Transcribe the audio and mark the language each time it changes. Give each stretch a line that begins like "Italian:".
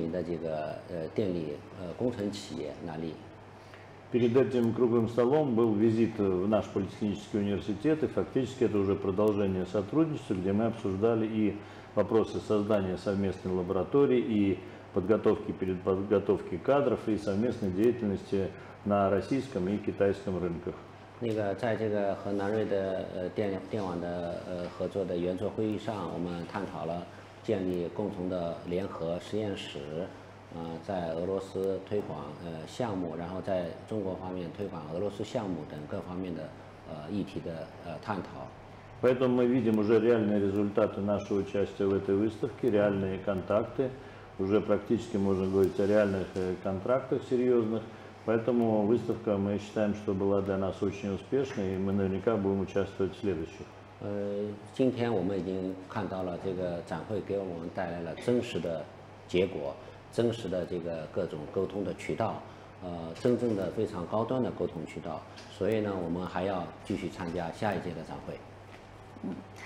Chinese: 我们那个另外一个圆桌会议呢，在这个电力行业参加了这个很著名的这个电力工程企业那里。
Russian: Перед этим круглым столом был визит в наш политехнический университет, и фактически это уже продолжение сотрудничества, где мы обсуждали и вопросы создания совместной лаборатории, и подготовки, переподготовки кадров, и совместной деятельности на российском и китайском рынках.
Chinese: 那个在这个和南瑞的电网的合作的圆桌会议上，我们探讨了建立共同的联合实验室。在俄罗斯推广项目，然后在中国方面推广俄罗斯项目等各方面的议题的探讨。
Russian: Поэтому мы видим уже реальные результаты нашего участия в этой выставке, реальные контакты. Уже практически можно говорить о реальных контрактах серьезных. Поэтому выставка, мы считаем, что была для нас очень успешной, и мы наверняка будем участвовать в следующих.
Chinese: 今天我们已经看到了这个展会给我们带来了真实的结果，真实的这个各种沟通的渠道，真正的非常高端的沟通渠道，所以呢，我们还要继续参加下一届的展会。